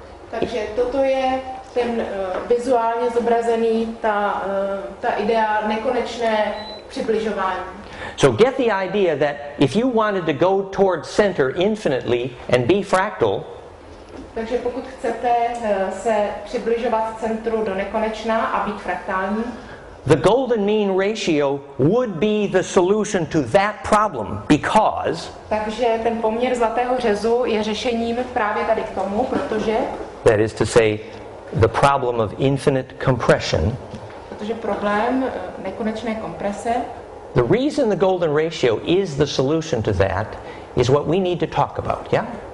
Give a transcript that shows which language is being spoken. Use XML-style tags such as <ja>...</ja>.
<cs>Takže toto je ten vizuálně zobrazený, ta idea nekonečné přibližování.</cs> <en>So get the idea that if you wanted to go towards center infinitely and be fractal,</en> <cs>takže pokud chcete se přibližovat centru do nekonečna a být fraktální,</cs> <en>the golden mean ratio would be the solution to that problem because,</en> <cs>takže ten poměr zlatého řezu je řešením právě tady k tomu, protože,</cs> <en>that is to say, the problem of infinite compression,</en> <cs>protože problém nekonečné komprese.</cs> <en>The reason the golden ratio is the solution to that is what we need to talk about, yeah?</en>